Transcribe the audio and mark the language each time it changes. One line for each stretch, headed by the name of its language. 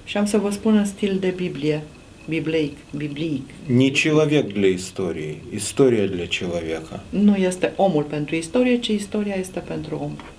Romanian: Și am să vă spun în stil de Biblie. Biblic, biblic.
Russian: Не человек для истории, история для человека.
Romanian: Nu este omul pentru istorie, ci istoria este pentru om.